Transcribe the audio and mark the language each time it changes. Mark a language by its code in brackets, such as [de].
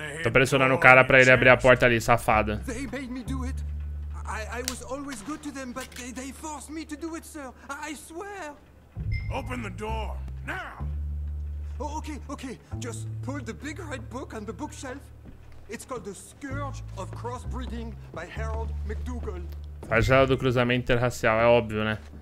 [pt] Tô pressionando o cara pra ele abrir a porta ali, safada. [en] They made me do it. I was always good to them, but they forced me to do it, sir. I swear. Open the door now. Oh, okay, okay. Just pull the big red book on the bookshelf. It's called The Scourge of Crossbreeding by Harold McDougall. [pt] A janela do cruzamento interracial, é óbvio, né?